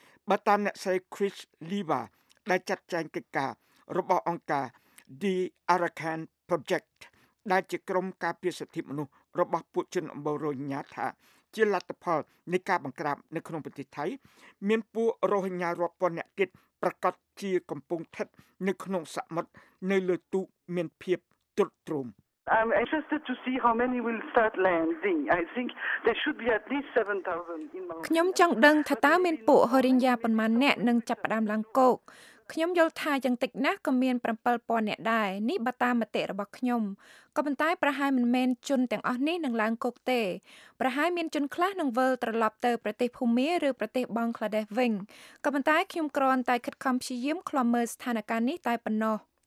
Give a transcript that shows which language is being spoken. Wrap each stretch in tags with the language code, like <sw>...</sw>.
<km>បើតាមអ្នកស្រី Chris Liva ដែលចាត់ចែងកិច្ចការរបស់អង្គការ The Arakan Project ដែលជាក្រុមការពារសិទ្ធិមនុស្សរបស់ពួកជនអំបូររ៉ូហីងយ៉ាថាជាលទ្ធផលនៃការបង្ក្រាបនៅក្នុងប្រទេសថៃមានពួករ៉ូហីងយ៉ារាប់ពាន់នាក់ទៀតប្រកាសជាកំពុងស្ថិតនៅក្នុងសមុទ្រនៅលើទូកមានភាពទ្រុឌទ្រោម</km> <en>I'm interested to see how many will start landing. I think there should be at least 7,000 in Malaysia.</en> <km>ខ្ញុំចង់ដឹងថាតើមានពួករ៉ូហីងយ៉ាប៉ុន្មានអ្នកនឹងចាប់ផ្ដើមឡើងគោកខ្ញុំយល់ថាយ៉ាងតិចណាស់ក៏មាន 7,000 អ្នកដែរនេះបើតាមមតិរបស់ខ្ញុំក៏ប៉ុន្តែប្រហែលមិនមែនជនទាំងអស់នេះនឹងឡើងគោកទេប្រហែលមានជនខ្លះនឹងវិលត្រឡប់ទៅប្រទេសភូមាឬប្រទេសបង់ក្លាដេសវិញក៏ប៉ុន្តែខ្ញុំក្រាន់តែខិតខំព្យាយាមឃ្លាំមើលស្ថានភាពនេះតែប៉ុណ្ណោះ</km>